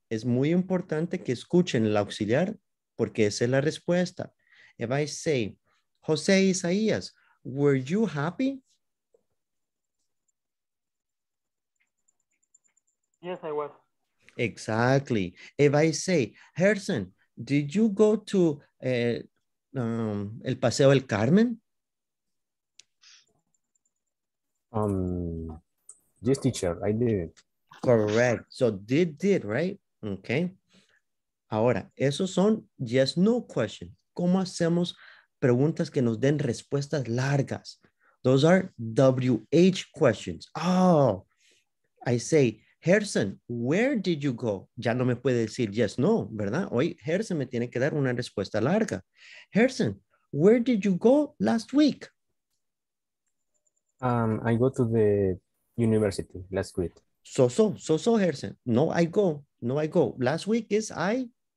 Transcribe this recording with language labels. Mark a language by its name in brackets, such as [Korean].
[Spanish] Es muy importante que escuchen el auxiliar porque esa es la respuesta. [English] If I say, Jose Isaías, were you happy? Yes, I was. Exactly. If I say, Gerson, did you go to El Paseo del Carmen? Yes, teacher, I did. Correct. So did, right? Okay. [Spanish] Ahora, esos son [English] yes, no questions. [Spanish] ¿Cómo hacemos preguntas que nos den respuestas largas? [English] Those are WH questions. Oh, I say, Gerson, where did you go? [Spanish] Ya no me puede decir yes, no, ¿verdad? Hoy Gerson me tiene que dar una respuesta larga. [English] Gerson, where did you go last week? I go to the university last week. So, Gerson. No, I go. Last week is I...